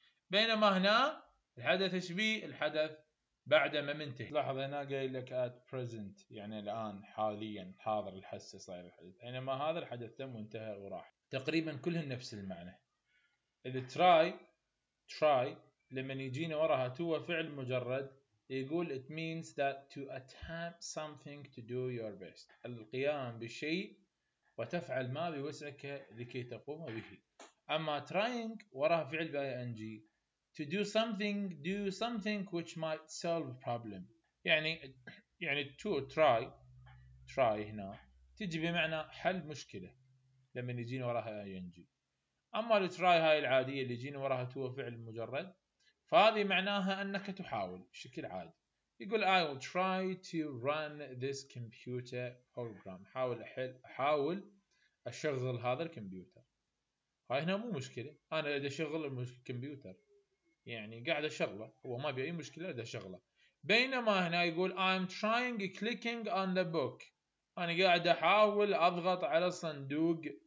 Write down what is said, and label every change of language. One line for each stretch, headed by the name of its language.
Arabic: بينما هنا الحدث إيش بي؟ الحدث بعد ما منتهي. لاحظ هنا قايل لك
English: at present
Arabic: يعني الآن حاليا حاضر الحس صاير الحدث. بينما هذا الحدث تم وانتهى وراح. تقريبا كلهن نفس المعنى.
English: The try
Arabic: لما يجينا وراها هو فعل مجرد. يقول
English: it means that to attempt something to do your best.
Arabic: القيام بشيء وتفعل ما بوسعك لكي تقوم به. أما
English: trying
Arabic: وراه فعل
English: ing to do something which might solve problem.
Arabic: يعني
English: to try
Arabic: هنا تجي بمعنى حل مشكلة لما يجين وراها ing. أما try هاي العادية اللي يجين وراها هو فعل مجرد فهذه معناها أنك تحاول بشكل عادي. يقول
English: I will try to run this computer program.
Arabic: حاول أشغل هذا الكمبيوتر. هاي هنا مو مشكلة. أنا قاعد أشغل الكمبيوتر. يعني قاعد أشغله. هو ما بي أي مشكلة قاعد أشغله. بينما هنا يقول
English: I'm trying clicking on the book.
Arabic: أنا قاعد أحاول أضغط على صندوق.